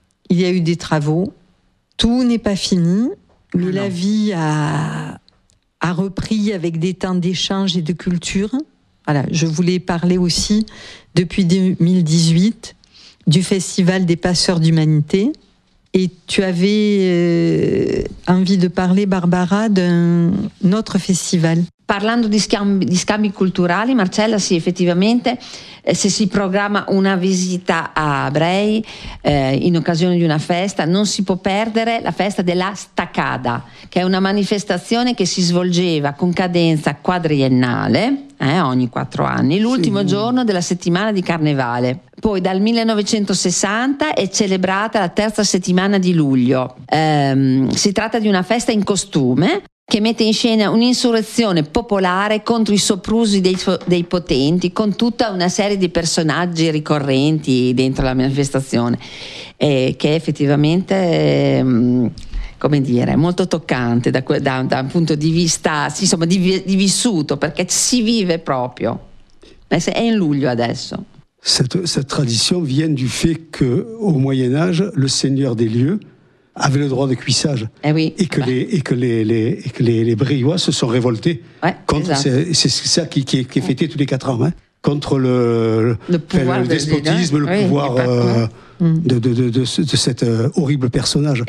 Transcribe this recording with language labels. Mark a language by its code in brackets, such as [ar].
[fr] Il y a eu des travaux. Tout n'est pas fini. Mais la vie a repris avec des temps d'échange et de culture. Voilà, je voulais parler aussi, depuis 2018, du Festival des Passeurs d'Humanité. Et tu avais envie de parler, Barbara, d'un autre festival. [it] Parlando di scambi culturali, Marcella, sì, effettivamente, se si programma una visita a Bray in occasione di una festa, non si può perdere la festa della Staccada, che è una manifestazione che si svolgeva con cadenza quadriennale, ogni quattro anni, l'ultimo giorno della settimana di Carnevale. Poi dal 1960 è celebrata la terza settimana di luglio. Si tratta di una festa in costume, che mette in scena un'insurrezione popolare contro i soprusi dei potenti, con tutta una serie di personaggi ricorrenti dentro la manifestazione, che è effettivamente come dire, molto toccante da un punto di vista di vissuto, perché si vive proprio. È in luglio adesso. [fr] Cette tradition vient du fait que au Moyen Âge, le seigneur des lieux avait le droit de cuissage et que les Briouas se sont révoltés contre c'est ça qui est fêté tous les quatre ans contre le despotisme, le pouvoir de cet horrible personnage.